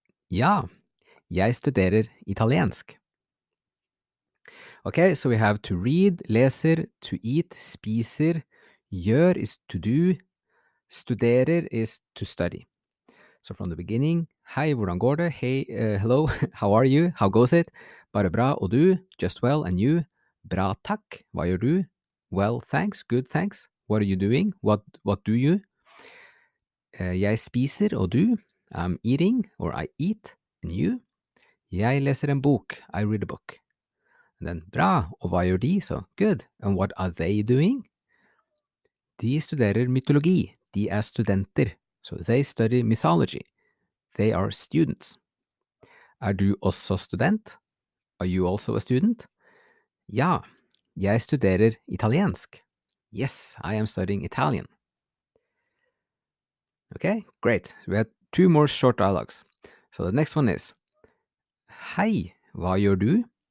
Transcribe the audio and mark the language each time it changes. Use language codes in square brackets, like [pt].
[no] Ja, jeg studerer italiensk. [en] Okay, so we have to read, leser, to eat, spiser. Gjør is to do. Studerer is to study. [no] So from the beginning, Hei, hvordan går det? [en] Hey, hello, how are you? How goes it? [no] Bare bra, og du? [en] Just well, and you? [no] Bra, takk. Hva gjør du? [en] Well, thanks, good, thanks. What are you doing? What do you? [no] Jeg spiser, og du? [en] I'm eating, or I eat, and you? [no] Jeg leser en bok. [en] I read a book. And then, [no] bra, og hva gjør de? [en] So, good. And what are they doing? [no] De studerer mytologi. De studenter. [en] So, they study mythology. They are students. [no] Du også student? [en] Are you also a student? [no] Ja, jeg studerer italiensk. [en] Yes, I am studying Italian. Okay, great. We have two more short dialogues. So the next one is, [no] Hei, hva gjør du?